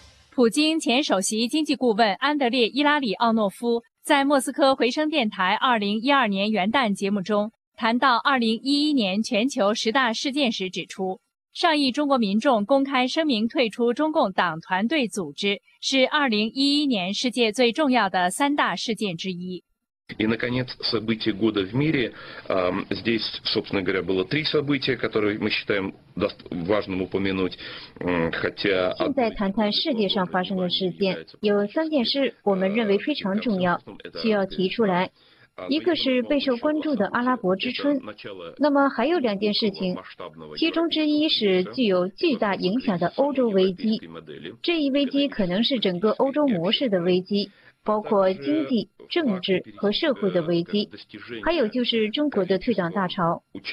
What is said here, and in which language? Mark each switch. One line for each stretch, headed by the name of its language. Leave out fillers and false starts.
Chinese: 普京前首席经济顾问安德烈·伊拉里奥诺夫在莫斯科回声电台2012年元旦节目中谈到2011年全球十大事件时指出，上亿中国民众公开声明退出中共党团队组织是2011年世界最重要的三大事件之一。
Russian: И, наконец, события года в мире. Здесь, собственно говоря, было три события, которые мы считаем важным упомянуть.
Chinese: 现在谈谈世界上发生的事件，有三件事我们认为非常重要，需要提出来。一个是备受关注的阿拉伯之春，那么还有两件事情，其中之一是具有巨大影响的欧洲危机，这一危机可能是整个欧洲模式的危机，包括经济、政治和社会的危机，还有就是中国的退党大潮。